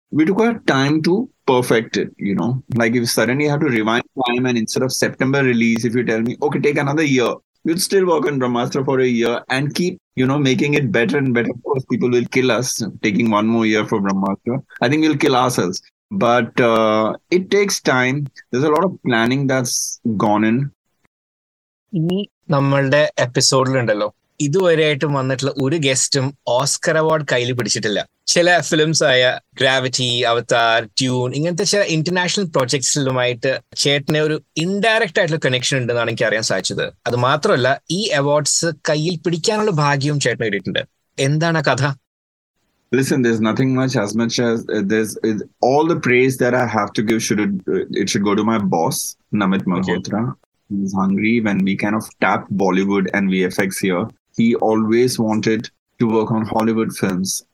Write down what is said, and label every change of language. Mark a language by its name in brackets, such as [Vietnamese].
[English] We took our time to perfect it, you know. Like if suddenly you have to rewind time and instead of September release, if you tell me, okay, take another year, you'd still work on Brahmastra for a year and keep, you know, making it better and better. Of course, people will kill us taking one more year for Brahmastra. I think we'll kill ourselves. But it takes time. There's a lot of planning that's gone in. [Malayalam] ഇനി നമ്മളുടെ എപ്പിസോഡിലുണ്ടല്ലോ, ഇതുവരെയായിട്ടും വന്നിട്ടുള്ള ഒരു ഗസ്റ്റും Oscar award കയ്യിൽ പിടിച്ചിട്ടില്ല. ചില films ആയ gravity, അവതാർ, tune, ഇങ്ങനത്തെ ചില ഇന്റർനാഷണൽ പ്രൊജക്ട്സിലുമായിട്ട് ചേട്ടനെ ഒരു ഇൻഡയറക്റ്റ് ആയിട്ടുള്ള കണക്ഷൻ ഉണ്ടെന്നാണ് എനിക്ക് അറിയാൻ സാധിച്ചത്. അത് മാത്രമല്ല, ഈ അവാർഡ്സ് കയ്യിൽ പിടിക്കാനുള്ള ഭാഗ്യവും ചേട്ടന് കിട്ടിയിട്ടുണ്ട്. എന്താണ് ആ കഥ? [English] Listen, there's nothing much as there's all the praise that I have to give should it should go to my boss, Namit Malhotra. Okay. He's hungry when we kind of tapped Bollywood and VFX here. He always wanted to work on Hollywood films.